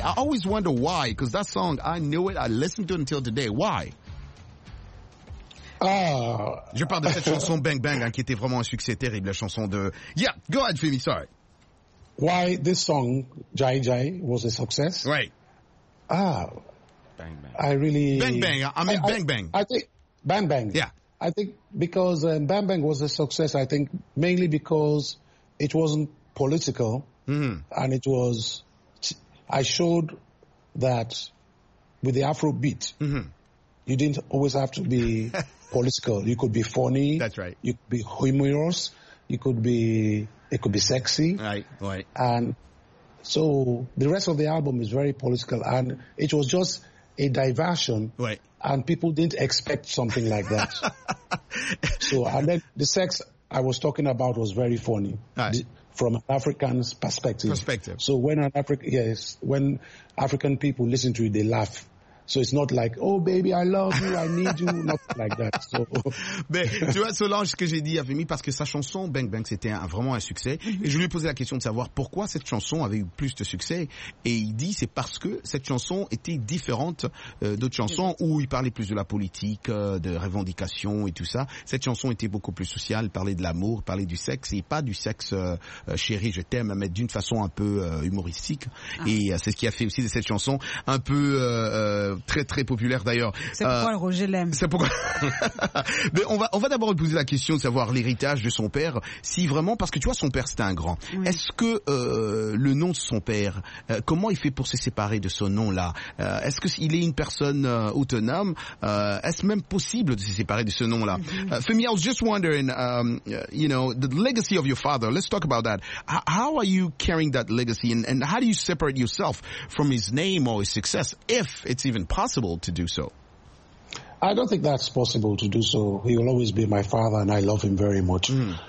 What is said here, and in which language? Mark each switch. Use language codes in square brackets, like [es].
[en] I always wonder why, because that song, I knew it, I listened to it until today. Why? [fr] Je parle de cette chanson Bang Bang, hein, qui était vraiment un succès terrible, la chanson de... [en] Yeah, go ahead, Femi, sorry. Why this song, Jai Jai, was a success? Right. Ah. Bang Bang. I really... Bang Bang. I mean Bang Bang. I think... Bang Bang. Yeah. I think because Bang Bang was a success, I think mainly because it wasn't political. Mm-hmm. And it was... I showed that with the Afro beat, mm-hmm. you didn't always have to be political. You could be funny. That's right. You could be humorous. You could be... It could be sexy. Right. And so the rest of the album is very political, and it was just a diversion. Right. And people didn't expect something like that. So, and then the sex I was talking about was very funny. Right. From an African's perspective. Perspective. So when an African, yes, when African people listen to it, they laugh. So it's not like, oh baby, I love you, I need you, not like that. So. [fr] Mais tu vois, Solange, ce que j'ai dit à Femi, parce que sa chanson, Bang Bang, c'était vraiment un succès. Et je lui ai posé la question de savoir pourquoi cette chanson avait eu plus de succès. Et il dit, c'est parce que cette chanson était différente d'autres chansons où il parlait plus de la politique, de revendications et tout ça. Cette chanson était beaucoup plus sociale, parlait de l'amour, parlait du sexe, et pas du sexe, chérie, je t'aime, mais d'une façon un peu humoristique. Ah. Et c'est ce qui a fait aussi de cette chanson un peu très très populaire d'ailleurs. C'est pourquoi Roger l'aime. C'est pourquoi. Mais on va d'abord lui poser la question de savoir l'héritage de son père, si vraiment, parce que tu vois, son père c'était un grand. Oui. Est-ce que le nom de son père, comment il fait pour se séparer de ce nom-là? Est-ce qu'il est une personne autonome? Est-ce même possible de se séparer de ce nom-là? [en] Femi, I was just wondering, you know, the legacy of your father. Let's talk about that. How are you carrying that legacy and how do you separate yourself from his name or his success, if it's even possible to do so? I don't think that's possible to do so. He will always be my father, and I love him very much. Mm.